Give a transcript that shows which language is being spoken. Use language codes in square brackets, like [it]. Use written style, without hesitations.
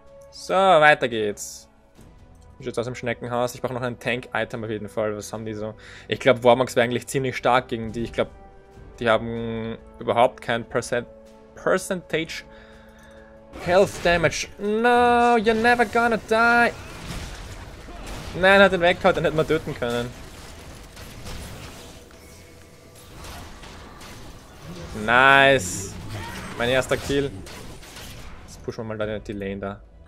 [de] So, weiter geht's. Ich bin jetzt aus dem Schneckenhaus. Ich brauche noch ein Tank-Item auf jeden Fall. Was haben die so? Ich glaube, Warmax wäre eigentlich ziemlich stark gegen die. Ich glaube, die haben überhaupt kein Percentage Health Damage. [en] No, you're never gonna die. [de] Nein, hat den weggehauen, den hätten wir töten können. Nice. Mein erster Kill. Jetzt pushen wir mal da die Lane da.